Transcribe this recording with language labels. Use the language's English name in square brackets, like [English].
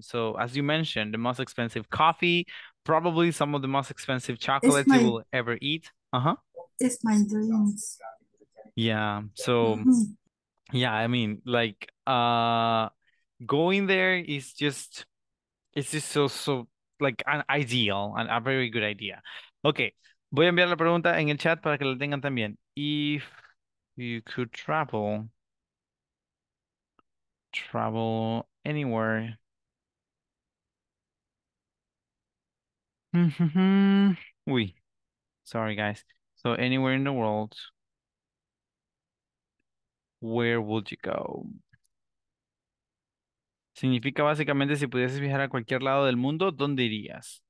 [English] So as you mentioned, the most expensive coffee, probably some of the most expensive chocolates you will ever eat. It's my dreams. Yeah. So yeah, I mean, like going there is just it's just so like an ideal and a very good idea. Okay. [Spanish] Voy a enviar la pregunta en el chat para que la tengan también. [English] If you could travel anywhere. Uy. Sorry guys. So anywhere in the world, where would you go? [Spanish] Significa básicamente si pudieses viajar a cualquier lado del mundo, ¿dónde irías?